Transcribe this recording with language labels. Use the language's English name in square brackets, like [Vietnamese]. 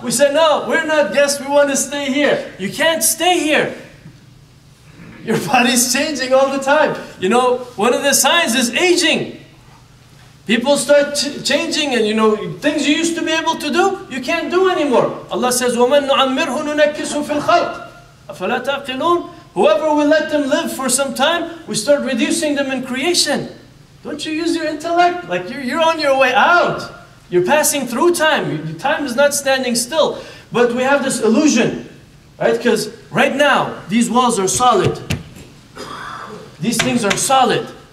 [English] We said, no, we're not guests, we want to stay here. You can't stay here. Your body's changing all the time. You know, one of the signs is aging. People start changing and, you know, things you used to be able to do, you can't do anymore. Allah says, [Arabic] وَمَن نُعَمِّرْهُ نُنَكِّسُ فِي الْخَلْقِ أَفَلَا تَعْقِلُونَ. [English] Whoever we let them live for some time, we start reducing them in creation. Don't you use your intellect? Like you're on your way out. You're passing through time. Your time is not standing still. But we have this illusion, right? Because right now, these walls are solid. These things are solid.